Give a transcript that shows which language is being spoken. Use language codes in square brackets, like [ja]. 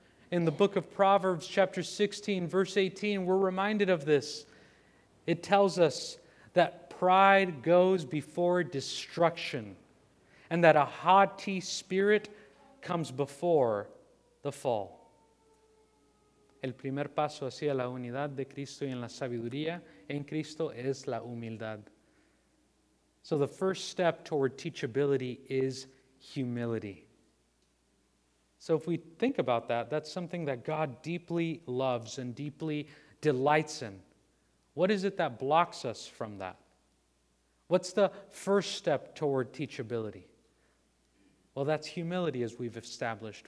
[en] In the book of Proverbs, chapter 16, verse 18, we're reminded of this. It tells us that pride goes before destruction, and that a haughty spirit comes before the fall. [es] El primer paso hacia la unidad de Cristo y en la sabiduría en Cristo es la humildad. [en] So the first step toward teachability is humility. So if we think about that, that's something that God deeply loves and deeply delights in. What is it that blocks us from that? What's the first step toward teachability? Well, that's humility, as we've established.